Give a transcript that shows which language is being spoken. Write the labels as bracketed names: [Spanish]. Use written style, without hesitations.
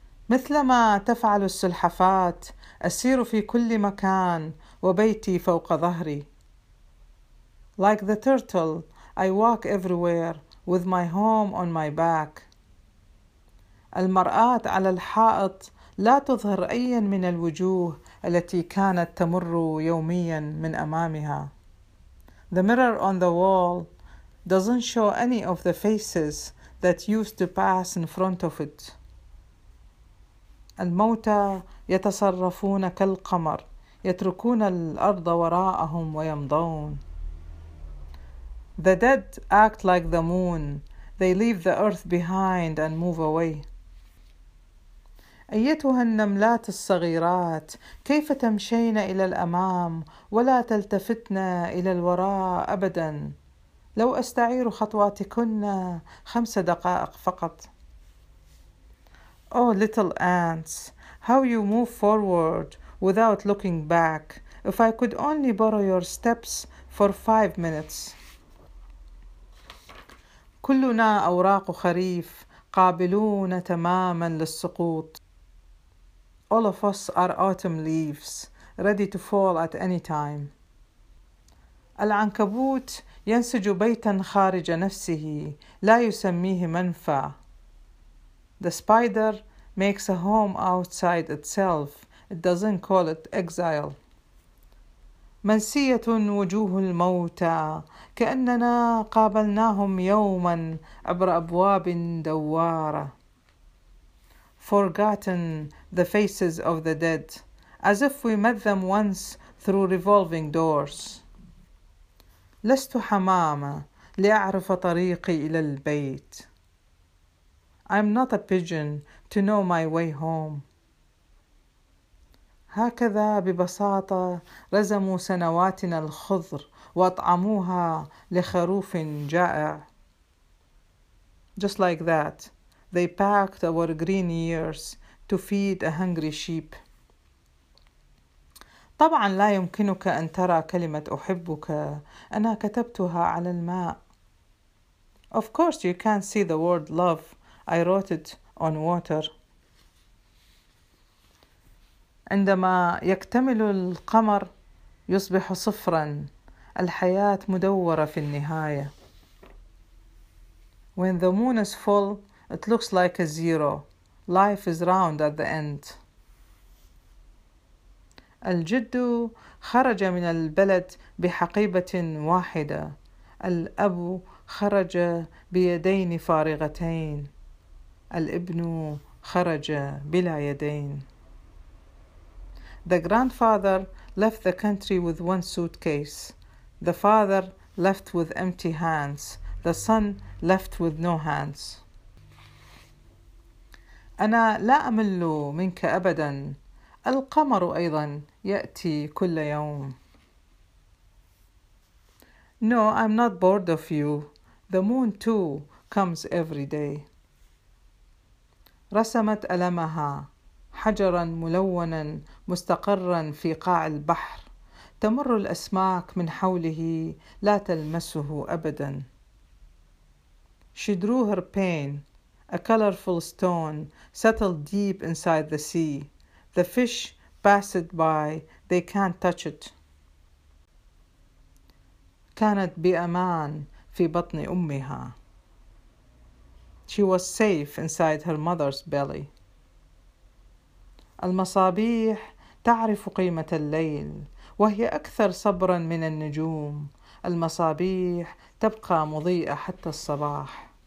[Arabic] مثلما تفعل السلحفات أسير في كل مكان وبيتي فوق ظهري. [English] Like the turtle, I walk everywhere with my home on my back. [Arabic] المرآة على الحائط لا تظهر أيا من الوجوه التي كانت تمر يوميا من أمامها. [English] The mirror on the wall doesn't show any of the faces that used to pass in front of it. [Arabic] الموتى يتصرفون كالقمر يتركون الأرض وراءهم ويمضون. [English] The dead act like the moon. They leave the earth behind and move away. [Arabic] أيتها النملات الصغيرات كيف تمشين إلى الأمام ولا تلتفتن إلى الوراء أبدا لو أستعير خطواتكن 5 دقائق فقط. [English] Oh little ants, how you move forward without looking back. If I could only borrow your steps for 5 minutes. [Arabic] كلنا أوراق خريف قابلون تماما للسقوط. [English] All of us are autumn leaves, ready to fall at any time. [Arabic] العنكبوت ينسج بيتا خارج نفسه لا يسميه منفى. [English] The spider makes a home outside itself. It doesn't call it exile. [Arabic] منسية وجوه الموتى كأننا قابلناهم يوما عبر أبواب دوارة. [English] Forgotten the faces of the dead, as if we met them once through revolving doors. [Arabic] لست حمامة لأعرف طريقي إلى البيت. [English] I'm not a pigeon to know my way home. [Arabic] هكذا ببساطة رزموا سنواتنا الخضر وأطعموها لخروف جائع. [English] Just like that, they packed our green years to feed a hungry sheep. [Arabic] طبعا لا يمكنك أن ترى كلمة أحبك أنا كتبتها على الماء. [English] Of course you can't see the word love, I wrote it on water. [Arabic] عندما يكتمل القمر يصبح صفرا الحياة مدورة في النهاية. [English] When the moon is full, it looks like a zero. Life is round at the end. [Arabic] الجد خرج من البلد بحقيبة واحدة. الأب خرج بيدين فارغتين. الابن خرج بلا يدين. [English] The grandfather left the country with one suitcase. The father left with empty hands. The son left with no hands. [Arabic] أنا لا أمل منك أبدا، القمر أيضا يأتي كل يوم. [English] No, I'm not bored of you. The moon too comes every day. [Arabic] رسمت ألمها حجرا ملونا مستقرا في قاع البحر. تمر الأسماك من حوله لا تلمسه أبدا. [English] She drew her pain, a colorful stone settled deep inside the sea. The fish passed by, they can't touch it. [Arabic] كانت بأمان في بطن أمها. [English] She was safe inside her mother's belly. [Arabic] المصابيح تعرف قيمة الليل وهي أكثر صبرا من النجوم. المصابيح تبقى مضيئة حتى الصباح.